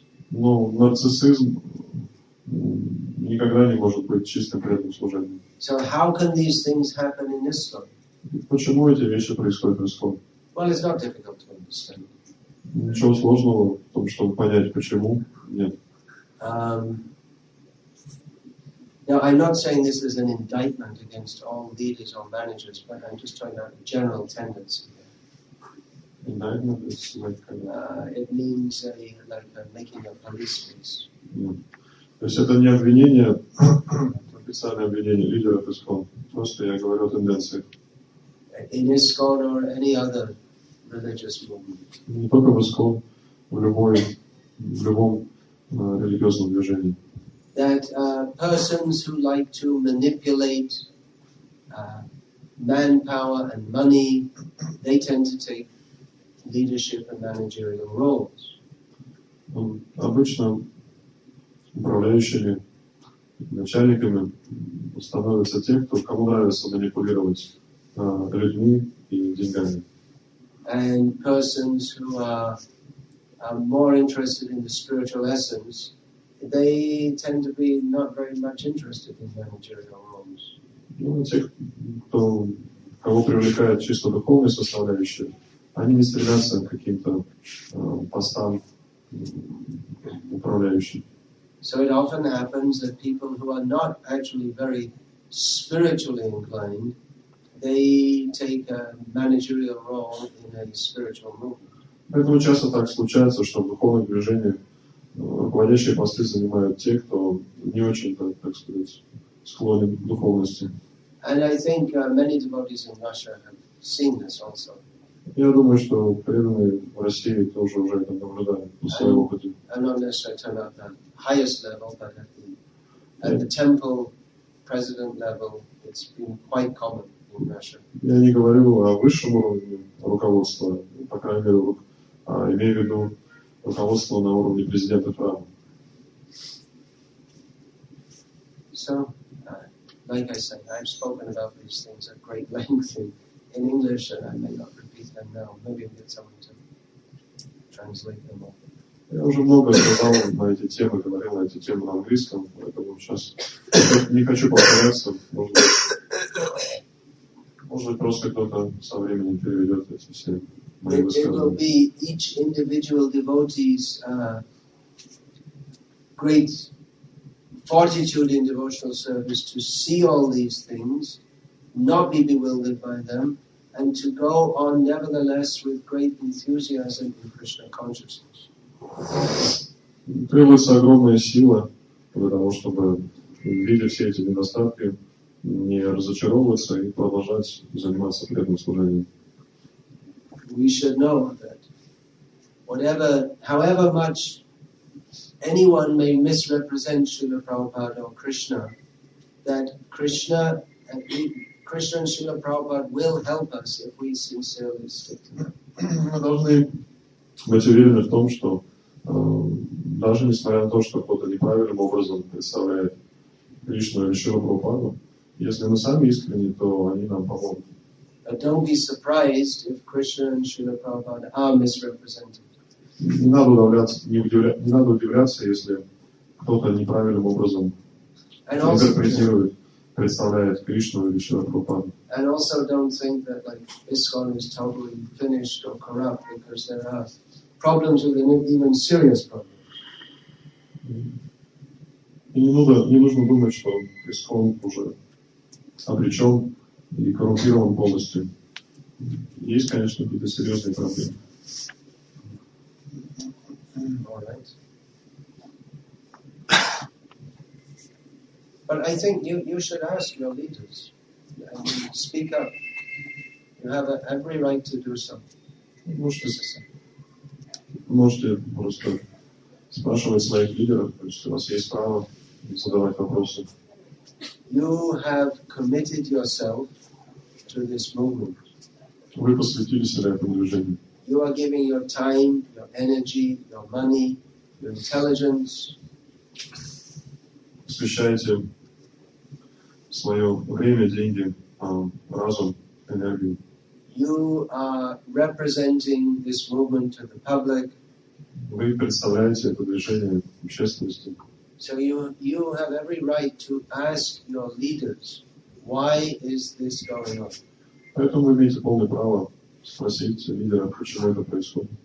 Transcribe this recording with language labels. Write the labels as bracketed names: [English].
[Russian] Но нарциссизм никогда не может быть чистым преданным служением. [English] So how can these things happen in Islam? [Russian] Почему эти вещи происходят в Ислам? [English] Well, it's not difficult to understand. [Russian] Ничего сложного в том, чтобы понять, почему нет. [English] Now, I'm not saying this is an indictment against all leaders or managers, but I'm just talking about a general tendency. Indictment is like it means a, like a making a police case. [Russian] То есть это не обвинение, официальное обвинение лидеров ИСКОН. Просто я говорю о тенденциях. [English] In ISKCON or any other religious movement. [Russian] Не только в ИСКОН, в любом религиозном движении. [English] That persons who like to manipulate manpower and money, they tend to take leadership and managerial roles. [Russian] Обычно управляющими начальниками становятся те, кто кому нравится манипулировать людьми и деньгами. [English] And persons who are more interested in the spiritual essence. They tend to be not very much interested in managerial roles. [Russian] Кого привлекает чисто духовная составляющая, они не стремятся к каким-то постам управляющим. [English] So it often happens that people who are not actually very spiritually inclined, they take a managerial role in a spiritual movement. [Russian] Поэтому часто так случается, что в духовном движении руководящие посты занимают те, кто не очень, так сказать, склонен к духовности. [English] And I think many devotees in Russia have seen this also. [Russian] Я думаю, что преданные в России тоже уже это наблюдают на своем опыте. [English] And not necessarily turn out the highest level, but at the temple president level, it's been quite common in Russia. [Russian] Я не говорю о высшем уровне руководства, по крайней мере, а имею в виду руководство на уровне президента права. [English] So, like I said, I've spoken about these things at great length in English, and I may not repeat them now. Maybe I'll get someone to translate them all. [Russian] Я уже много сказал на эти темы, говорил на эти темы на английском, поэтому сейчас не хочу повторяться. Может быть, просто кто-то со временем переведет эти все. [English] It will be each individual devotee's great fortitude in devotional service to see all these things, not be bewildered by them, and to go on nevertheless with great enthusiasm in Krishna consciousness. [Russian] Требуется огромная сила для того, чтобы видеть все эти недостатки, не разочаровываться и продолжать заниматься преданным служением. [English] We should know that whatever, however much anyone may misrepresent Srila Prabhupada or Krishna, that Krishna and Srila Prabhupada will help us if we sincerely stick to them. [Russian] Мы должны быть уверены в том, что даже несмотря на то, что кто-то неправильным образом представляет Кришну или Шрила Прабхупаду, если мы сами искренни, то они нам помогут. [English] But don't be surprised if Krishna and Srila Prabhupada are misrepresented. [Russian] Не надо удивляться, если кто-то неправильным образом интерпретируют, представляют Кришну или Шрила Прабхупаду. [English] And also don't think that like ISKCON is totally finished or corrupt because there are problems with it, even serious problems. [Russian] Не нужно думать, что ISKCON уже обречен и коррумпирован полностью. Есть, конечно, какие-то серьезные проблемы. [English] All right. But I think you should ask your leaders and speak up. You have every right to do so. [Russian] Можете просто спрашивать своих лидеров, потому что у вас есть право задавать вопросы. [English] You have committed yourself to this movement. [Russian] Вы посвятили себя этому движению. [English] You are giving your time, your energy, your money, your intelligence. [Russian] Посвящаете свое время, деньги, разум, энергию. [English] You are representing this movement to the public. [Russian] Вы представляете это движение общественности. [English] So you have every right to ask your leaders, why is this going on? [Russian] Поэтому вы имеете полное право спросить лидера, почему это происходит.